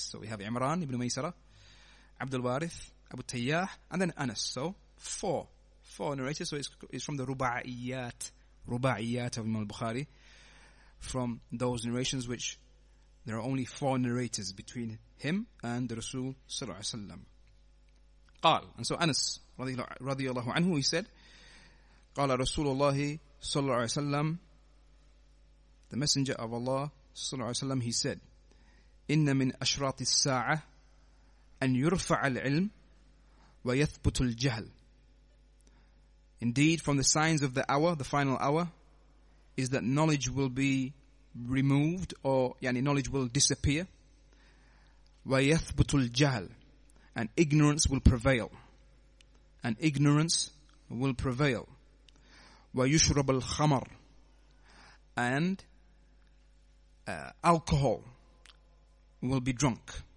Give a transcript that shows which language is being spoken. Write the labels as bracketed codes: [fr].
[en] So we have Imran ibn Maysara, Abdul Warith, Abu Tayyah, and then Anas. So four narrators. So it's from the Ruba'iyat of Imam al-Bukhari. From those narrations, which there are only four narrators between him and the Rasul Sallallahu Alaihi Wasallam. [ar] قال. And so Anas, رضي الله عنه, he said, قال رسول الله صلى الله عليه وسلم, [en] the messenger of Allah [ar] صلى الله عليه وسلم, he said, إن من أشراط الساعة أن يرفع العلم ويثبت الجهل. [en] Indeed, from the signs of the hour, the final hour, is that knowledge will be removed, or يعني knowledge will disappear, [ar] ويثبت الجهل, [en] and ignorance will prevail. And ignorance will prevail. [ar] ويشرب الخمر, [en] and alcohol will be drunk.